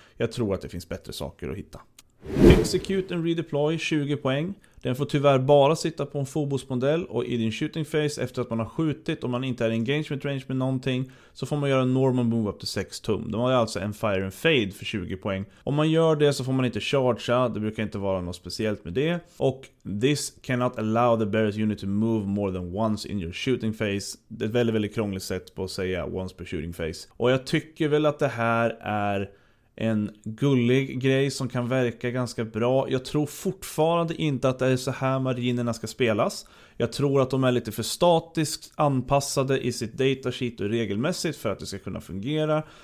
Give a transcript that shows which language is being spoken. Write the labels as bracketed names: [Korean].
[Swedish] Jag tror att det finns bättre saker att hitta. Execute and Redeploy, 20 poäng. Den får tyvärr bara sitta på en Phobos-modell och i din shooting phase, efter att man har skjutit och man inte är i engagement range med någonting, så får man göra en normal move up till 6 tum. Det var alltså en fire and fade för 20 poäng. Om man gör det så får man inte chargea, det brukar inte vara något speciellt med det. Och [English] this cannot allow the bearer's unit to move more than once in your shooting phase. [Swedish] Det är ett väldigt, väldigt krångligt sätt på att säga once per shooting phase. Och jag tycker väl att det här är en gullig grej som kan verka ganska bra. Jag tror fortfarande inte att det är så här marinerna ska spelas. Jag tror att de är lite för statiskt anpassade i sitt datasheet och regelmässigt för att det ska kunna fungera.